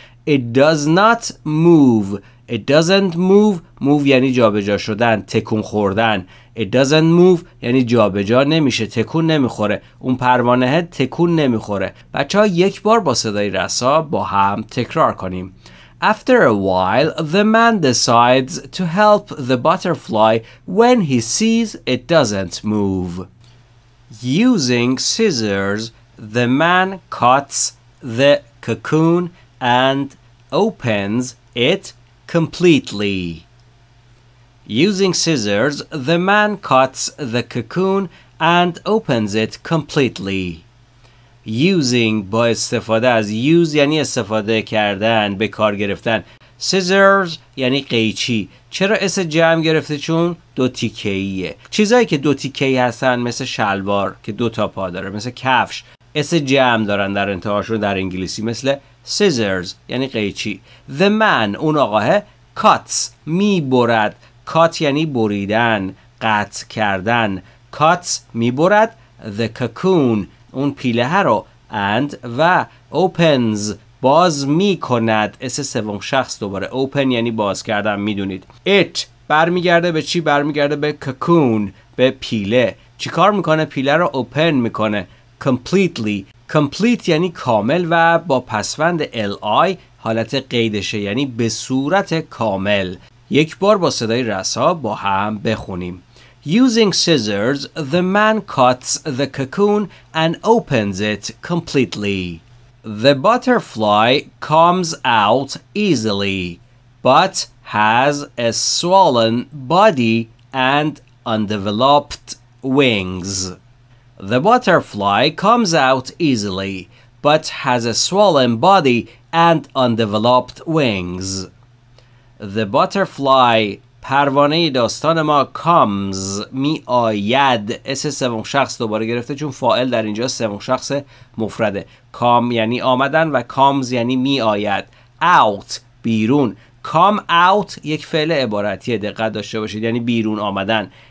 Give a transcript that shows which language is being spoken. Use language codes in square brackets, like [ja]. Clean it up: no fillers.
[en] it does not move. it doesn't move. [fa] move یعنی جابجا شدن، تکون خوردن. [en] It doesn't move [fa] یعنی جا به جا نمیشه، تکون نمیخوره. اون پروانه تکون نمیخوره. بچه ها یک بار با صدای رسا با هم تکرار کنیم. [en] After a while, the man decides to help the butterfly when he sees it doesn't move. Using scissors, the man cuts the cocoon and opens it completely. Using scissors, the man cuts the cocoon and opens it completely. [fa] Using با استفاده از use یعنی استفاده کردن، به کار گرفتن. Scissors یعنی قیچی. چرا اس جمع گرفته؟ چون دو تیکه‌ایه. چیزایی که دو تیکه‌ای هستن مثل شلوار که دو تا پا داره، مثل کفش، اس جمع دارن در انتهاشون در انگلیسی، مثل scissors یعنی قیچی. [en] The man [fa] اون آقاه cuts میبرد. cut یعنی بریدن، قطع کردن. cuts میبرد [en] the cocoon [fa] اون پیله رو and و opens باز میکند. اس سوم شخص دوباره، open یعنی باز کردن، میدونید. it برمیگرده به چی؟ برمیگرده به cocoon، به پیله. چی کار میکنه؟ پیله رو open میکنه completely. complete یعنی کامل و با پسوند li حالت قیدشه، یعنی به صورت کامل. یک بار با صدای رسا با هم بخونیم. [en] Using scissors, the man cuts the cocoon and opens it completely. The butterfly comes out easily, but has a swollen body and undeveloped wings. The butterfly comes out easily, but has a swollen body and undeveloped wings. The butterfly [fa] پروانه داستان ما comes می آید. اس سوم شخص دوباره گرفته چون فاعل در اینجا سوم شخص مفرده. come یعنی آمدن و comes یعنی می آید. out بیرون. [en] come out [fa] یک فعل عبارتیه، دقت داشته باشید، یعنی بیرون آمدن.